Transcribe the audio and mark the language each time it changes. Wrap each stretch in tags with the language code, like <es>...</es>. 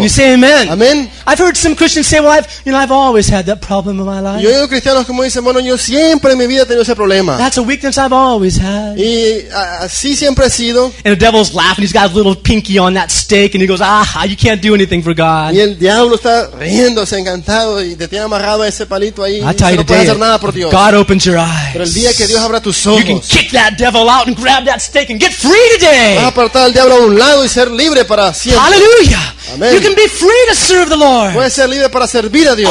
<en>You say amen.</en> <es>Amen.</es> <en>I've heard some Christians say, "Well, I've always had that problem in my life."</en> <es>Yo he oído cristianos como dicen, bueno, yo siempre en mi vida he tenido ese problema.</es> <en>That's a weakness I've always had.</en> <es>Y así siempre he sido.</es> <en>And the devil's laughing. He's got his little pinky on that stake, and he goes, "Ah, you can't do anything for God."</en> <es>Y el diablo está riéndose encantado y te tiene amarrado a ese palito ahí.</es> <en>I tell you,</en> <es>no puede hacer nada por Dios.</es> <en>God opens your eyes.</en> <es>Pero el día que Dios abra tus ojos,</es> <en>you can kick that devil out and grab that stake and get free today.</en> <es>Vas a apartar al diablo a un lado y ser libre para siempre.</es> <en>Hallelujah.</en> <es>Amen.</es> <en>You can be free to serve the Lord.</en> <es>Puedes ser libre para servir a Dios.</es>